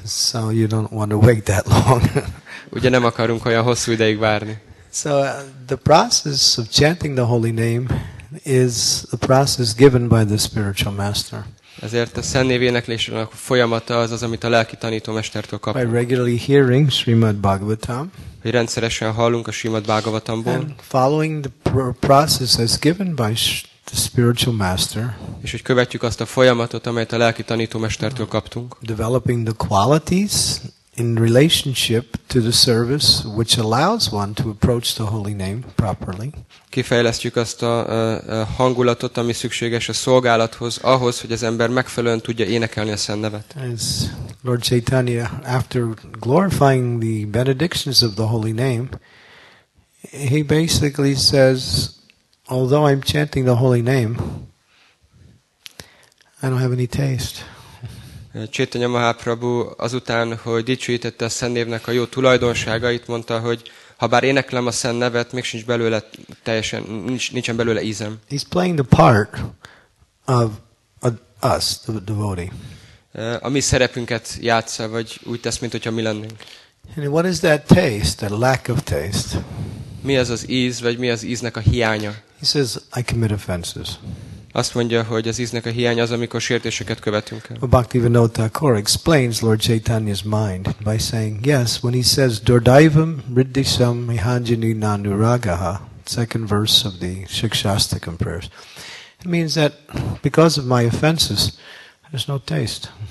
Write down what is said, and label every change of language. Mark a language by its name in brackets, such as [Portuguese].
[English] So you don't want to wait that long. [Hungarian] Ugye nem akarunk olyan hosszú ideig várni. [English] So the process of chanting the holy name is the process given by the spiritual master. [Hungarian] Ezért a szent név éneklésének folyamata az az, amit a lelki tanítómestertől kapunk. [English] By regularly hearing Srimad Bhagavatam. [Hungarian] Hogy rendszeresen hallunk a Srimad Bhagavatamból. [English] And following the process as given by the spiritual master. [Hungarian] És hogy követjük azt a folyamatot, amelyet a lelki tanítómestertől kaptunk. [English] Developing the qualities in relationship to the service which allows one to approach the holy name properly. [Hungarian] Kifejlesztjük azt a hangulatot, ami szükséges a szolgálathoz, ahhoz, hogy az ember megfelelően tudja énekelni a szent nevet. [English] As Lord Chaitanya, after glorifying the benedictions of the holy name, he basically says, although I'm chanting the holy name, I don't have any taste. [Hungarian] Chaitanya Mahaprabhu azután, hogy dicsőítette a szent névnek a jó tulajdonságait, mondta, hogy ha bár éneklem a szent nevet, még sincs belőle teljesen, nincsen belőle ízem. [English] He's playing the part of us, the devotee. [Hungarian] A mi szerepünket játssza, vagy úgy tesz, mint hogyha mi lennénk. [English] And what is that taste, that lack of taste? [Hungarian] mi az az íz, vagy mi az íznek a hiánya. [English] He says, I commit offenses. [Hungarian] Azt mondja, hogy az íznek a hiánya az, amikor sértéseket követünk el. [English] Bhaktivinoda Thakur explains Lord Chaitanya's mind by saying, yes, when he says, [Sanskrit] durdaivam riddhisham mihanjini nanuragaha, [English] second verse of the Shikshastakam prayers, it means that because of my offenses, there's no taste.